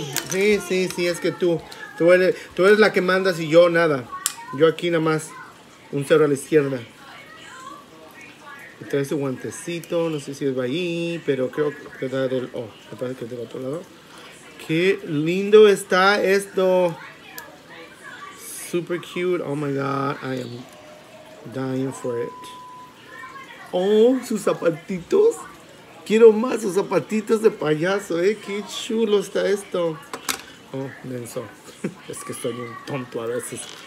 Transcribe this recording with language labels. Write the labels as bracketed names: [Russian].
[Spanish] Sí, es que tú eres la que mandas y yo nada. Yo aquí nada más, un cero a la izquierda. Y trae su guantecito, no sé si es ahí, pero creo que da del, me parece que es del otro lado. ¡Qué lindo está esto! [English] super cute. Oh my god, I am dying for it. [Spanish] Oh, sus zapatitos. Quiero más sus zapatitos de payaso, eh. Qué chulo está esto. Oh, Denso. Es que estoy un tonto a veces.